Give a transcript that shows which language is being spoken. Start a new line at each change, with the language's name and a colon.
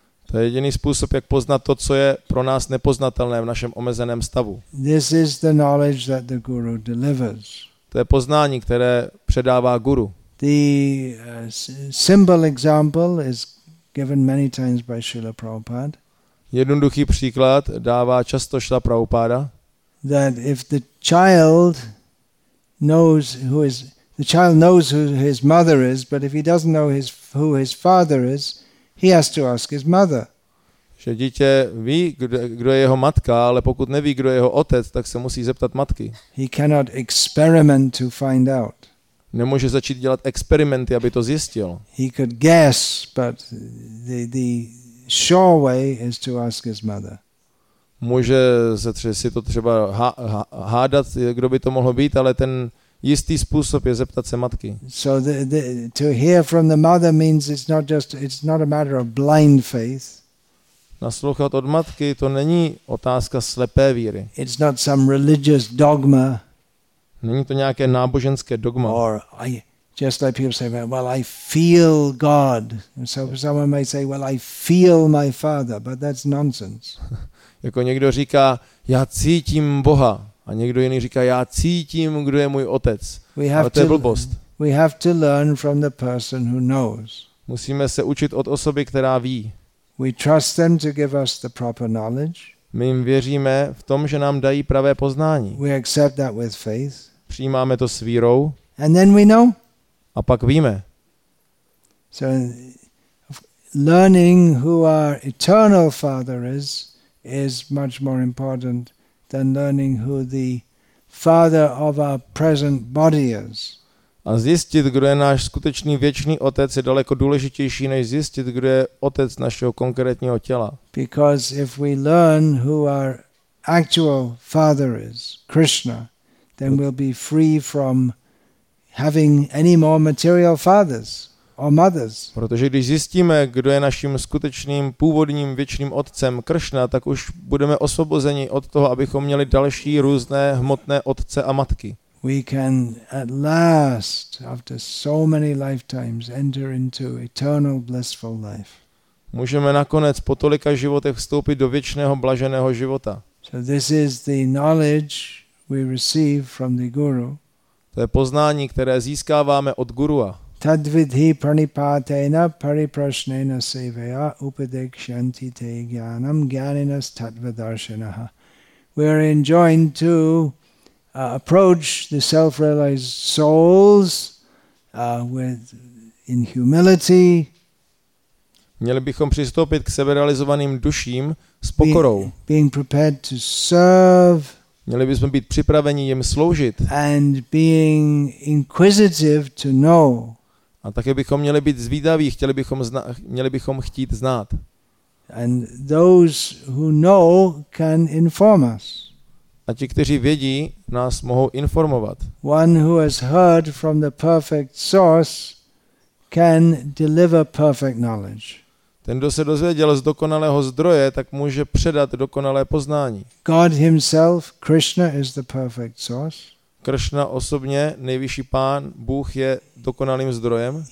Czech: To je jediný způsob, jak poznat to, co je pro nás nepoznatelné v našem omezeném stavu.
English: This is the knowledge that the guru delivers.
Czech: To je poznání, které předává guru.
English: The simple example is given many times by Srila Prabhupada.
Czech: Jednoduchý příklad dává často Srila Prabhupada.
English: That if the child knows who is the child knows who his mother is, but if he doesn't know who his father is, he has to ask his mother.
Czech: že dítě ví, kdo je jeho matka, ale pokud neví, kdo je jeho otec, tak se musí zeptat matky.
English: He cannot experiment to find out.
Czech: Nemůže začít dělat experimenty, aby to zjistil.
English: He could guess, but the sure way is to ask his mother.
Czech: Může se si to třeba hádat, kdo by to mohlo být, ale ten jistý způsob je zeptat se matky.
English: So the, to hear from the mother means it's not a matter of blind faith.
Czech: Naslouchat od matky, to není otázka slepé víry.
English: It's not some religious dogma.
Czech: Není to nějaké náboženské dogma.
English: Or I just like people say, well, I feel God. So someone might say, well, I feel my father, but that's nonsense.
Czech: Jako někdo říká, já cítím Boha. A někdo jiný říká, já cítím, kdo je můj otec. Ale to je blbost.
English: We have to learn from the person who knows.
Czech: Musíme se učit od osoby, která ví.
English: We trust them to give us the proper knowledge.
Czech: My jim věříme v tom, že nám dají pravé poznání.
English: We accept that with faith.
Czech: Přijímáme to s vírou.
English: And then we know.
Czech: A pak víme.
English: So learning who our eternal father is much more important than learning who the father of our present body is.
Czech: A zjistit, kdo je náš skutečný věčný otec, je daleko důležitější než zjistit, kdo je otec našeho konkrétního těla.
English: Because if we learn who our actual father is, Krishna, then we'll be free from having any more material fathers or mothers.
Czech: Protože když zjistíme, kdo je naším skutečným původním věčným otcem Krishna, tak už budeme osvobozeni od toho, abychom měli další různé hmotné otce a matky.
English: We can at last, after so many lifetimes, enter into eternal blissful life.
Czech: Můžeme nakonec po tolika životech vstoupit do věčného blaženého života.
English: So this is the knowledge we receive from the guru.
Czech: To je poznání, které získáváme od gurua.
Sanskrit: Tadvidhi pranipatena pariprasnena sevaya upadekshanti te jnanam gyaninas tatvadarshanah.
English: We are enjoined to approach the self-realized souls with in humility.
Czech: Měli bychom přistoupit k seberealizovaným duším s pokorou.
English: Being prepared to serve.
Czech: Měli bychom být připraveni jim sloužit.
English: And being inquisitive to know.
Czech: A také bychom měli být zvídaví, chtěli bychom chtít znát.
English: And those who know can inform us.
Czech: A ti, kteří vědí, nás mohou informovat.
English: One who has heard from the perfect source can deliver perfect knowledge.
Czech: Ten, kdo se dozvěděl z dokonalého zdroje, tak může předat dokonalé poznání.
English: God himself, Krishna, is the perfect source.
Czech: Krishna osobně, nejvyšší pán, Bůh, je dokonalým zdrojem.